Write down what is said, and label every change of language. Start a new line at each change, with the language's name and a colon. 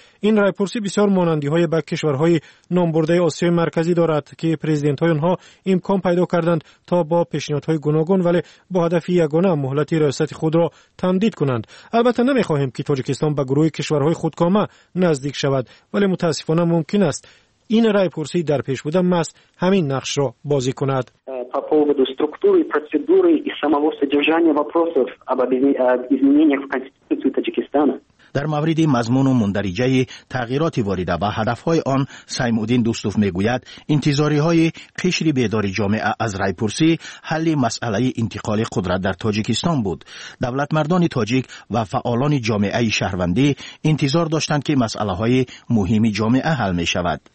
Persian: این رای پرسی بسیار مانندی های به کشورهای نامبرده آسیای مرکزی دارد که پرزیدنت های آنها امکان پیدا کردند تا با پیشنهادهای گوناگون ولی با هدف یگانه مهلت ریاست خود را تمدید کنند. البته نمیخواهیم که تاجیکستان به گروه کشورهای خودکامه نزدیک شود، ولی متاسفانه ممکن است این رای پرسی در پیش بوده ماست همین نقش را بازی کند.
Russian: структуры, процедуры и самого содержания вопросов об изменениях в Конституции Таджикистана.
Persian: در مورد مضمون و مندرجه‌ی تغییرات وارده و هدف‌های آن، سیمودین دوستوف می‌گوید انتظاری‌های قشر بیدار جامعه از رای‌پرسی حل مسئله انتقال قدرت در تاجیکستان بود. دولت مردان تاجیک و فعالان جامعه شهروندی انتظار داشتند که مسئله‌های مهم جامعه حل می‌شود.